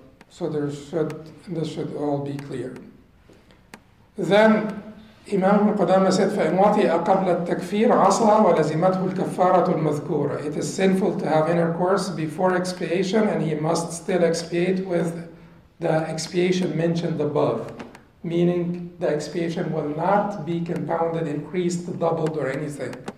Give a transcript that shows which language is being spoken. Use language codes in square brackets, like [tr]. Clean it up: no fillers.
[en] So this should all be clear. Then Imam Al-Qudama said, [ar] فَإِنْوَطِئَ قَبْلَ التَّكْفِيرَ عَصَى وَلَزِمَتْهُ الْكَفَّارَةُ الْمَذْكُورَةُ. [en] It is sinful to have intercourse before expiation, and he must still expiate with the expiation mentioned above, meaning the expiation will not be compounded, increased, doubled, or anything.